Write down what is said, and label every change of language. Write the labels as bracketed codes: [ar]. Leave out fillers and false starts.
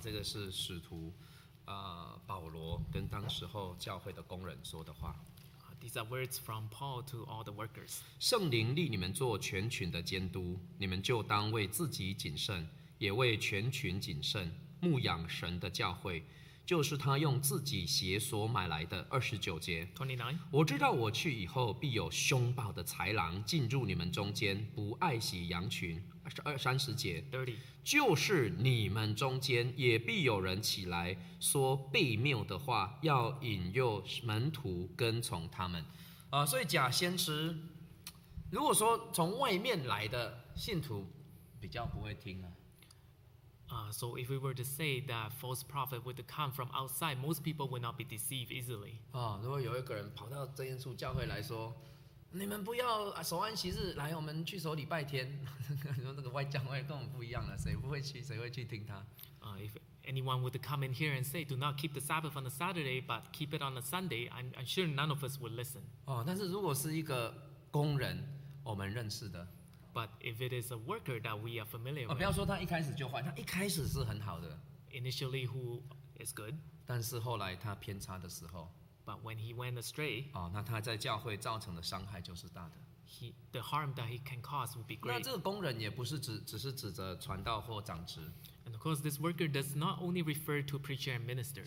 [zh] 这个是使徒, 保罗跟当时候教会的工人说的话。 [en] These are words from Paul to all the workers. [zh] 圣灵立你们做全群的监督, 你们就当为自己谨慎, 也为全群谨慎, 牧养神的教会, 就是他用自己血所买来的。 29节, 我知道我去以后必有凶暴的豺狼 进入你们中间, 不爱惜羊群。 30节, 就是你们中间 也必有人起来 说悖谬的话, 要引诱门徒跟从他们。所以假先知, 如果说从外面来的信徒, 比较不会听。 [en] So if we were to say that false prophet would come from outside, most people would not be deceived easily. [zh] 如果有一个人跑到真耶稣教会来说, 你们不要守安息日,来我们去守礼拜天, 那个外教会跟我们不一样了, 谁会去听他? [en] If anyone would come in here and say, do not keep the Sabbath on a Saturday, but keep it on a Sunday, I'm sure none of us would listen. [zh] 但是如果是一个工人, 我们认识的, [en] but if it is a worker that we are familiar with, [zh] 不要说他一开始就坏, 他一开始是很好的, [en] initially who is good, [zh] 但是后来他偏差的时候, [en] but when he went astray, [zh] 那他在教会造成的伤害就是大的, [en] the harm that he can cause would be great. [zh] 那这个工人也不是只是指着传道或长职, [en] and of course this worker does not only refer to preacher and ministers.